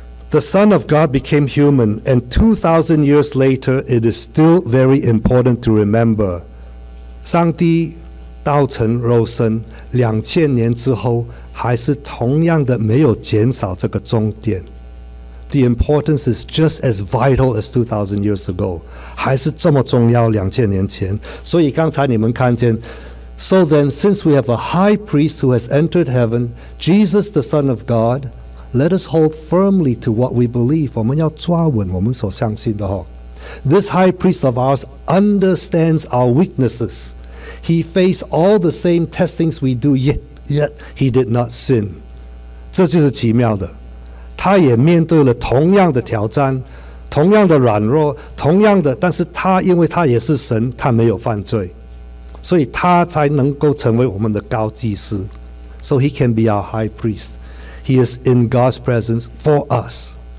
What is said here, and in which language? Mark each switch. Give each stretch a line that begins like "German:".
English: The Son of God became human, and 2,000 years later, it is still very important to remember.
Chinese: 上帝道成肉身，两千年之后，还是同样的没有减少这个终点。
English: The importance is just as vital as 2,000 years ago.
Chinese: 还是这么重要两千年前。所以刚才你们看见。
English: So then, since we have a high priest who has entered heaven, Jesus the Son of God, let us hold firmly to what we believe.
Chinese: 我们要抓稳我们所相信的。
English: This high priest of ours understands our weaknesses. He faced all the same testings we do, yet he did not sin.
Chinese: 这就是奇妙的。他也面对了同样的挑战，同样的软弱，同样的，但是他因为他也是神，他没有犯罪，所以他才能够成为我们的高祭司。
English: So he can be our high priest. He is in God's presence for us.